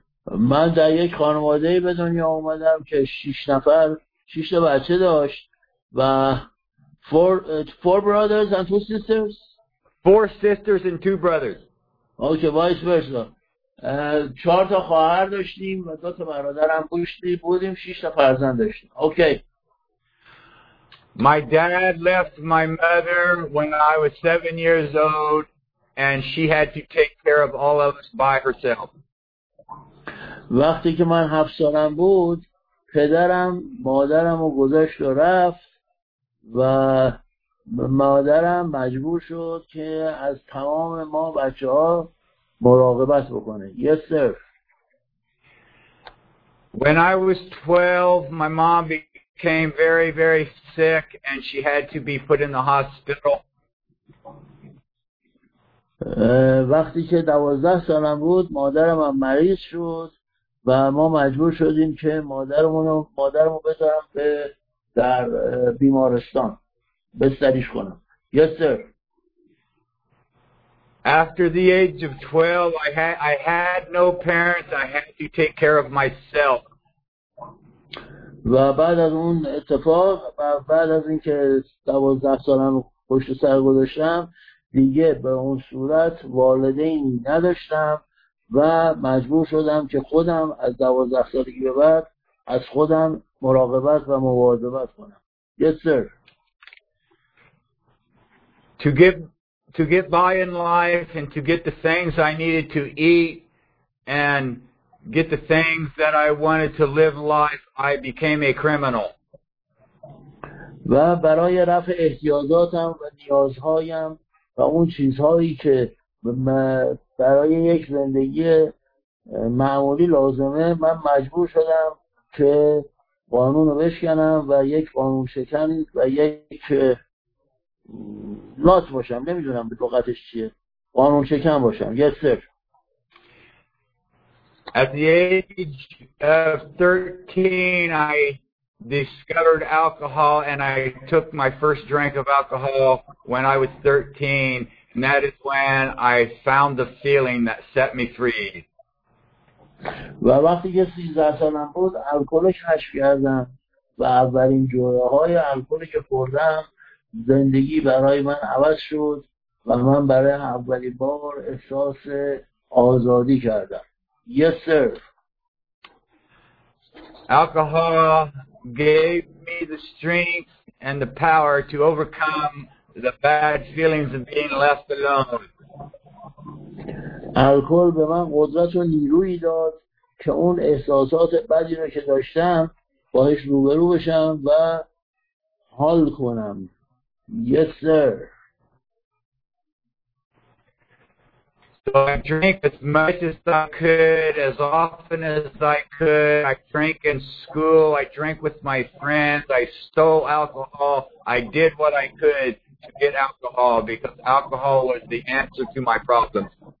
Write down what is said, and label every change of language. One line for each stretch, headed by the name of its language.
Persian: من در یک خانواده به دنیا اومدم که 6 نفر 6 تا بچه داشت و
English: four brothers and two sisters. Four sisters and two brothers. Okay, vice versa.
Persian: 4 تا خواهر داشتیم و 2 تا برادرم بودیم 6 تا فرزند داشتیم.
English: Okay. My dad left my mother when I was 7 years old and she had to take care of all of us by herself.
Persian: وقتی که من 7 سالم بود پدرم مادرم رو گذاشت و رفت و مادرم مجبور شد که از تمام ما بچه‌ها مراقبت بکنه.
English: Yes sir. When I was 12 my mom became very very sick and she had to be put in the hospital.
Persian: وقتی که 12 سالم بود مادرم هم مریض شد و ما مجبور شدیم که مادرمو بذارم به در بیمارستان بستریش کنم.
English: Yes sir. After the age of 12 I had no parents. I had to take care of myself.
Persian: و بعد از اون اتفاق و بعد از اینکه 12 سالم پشت سر گذاشتم دیگه به اون صورت والدین نداشتم و مجبور شدم که خودم از 12 سالگی به بعد از خودم مراقبت و مواظبت کنم.
English: Yes sir. To get by in life and to get the things I needed to eat and get the things that I wanted to live life, I became a criminal.
Persian: و برای رفع احتیاجاتم و نیازهایم و اون چیزهایی که برای یک زندگی معمولی لازمه من مجبور شدم که قانون رو بشکنم و یک قانون شکن و یک لات باشم. نمیدونم به لغتش چیه. قانون شکن باشم.
English: Yes sir. At the age of 13 I discovered alcohol and I took my first drink of alcohol when I was 13. And that is when I found the feeling that set me free.
Persian: و وقتی که 13 سالم بود الکل کشف کردم و اولین جرعه های الکلی که خوردم زندگی برای من عوض شد و من برای اولین بار احساس آزادی کردم.
English: Yes sir. Alcohol gave me the strength and the power to overcome the bad feelings of being left alone.
Persian: الکل به من قدرت و نیرویی داد که اون احساسات بدی رو که داشتم باهاش روبرو بشم و حال کنم.
English: Yes sir. So I drank as much as I could, as often as I could. I drank in school, I drank with my friends, I stole alcohol, I did what I could to get alcohol because alcohol was the answer to my problems.